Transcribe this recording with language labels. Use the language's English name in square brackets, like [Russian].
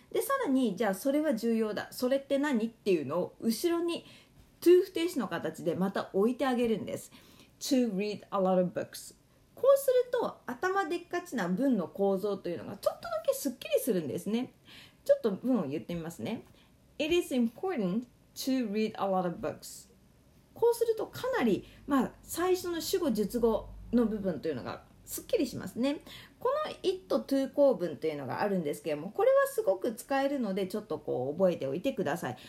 [Japanese] でさらにじゃあそれは重要だ、それって何っていうのを後ろに to 不定詞の形でまた置いてあげるんです。 [English] to read a lot of books。 [Japanese] こうすると頭でっかちな文の構造というのがちょっとだけすっきりするんですね。ちょっと文を言ってみますね。 [English] It is important to read a lot of books。 [Japanese] こうするとかなり、まあ、最初の主語述語の部分というのがすっきりしますね。この it to 構文というのがあるんですけれども、これはすごく使えるのでちょっとこう覚えておいてください。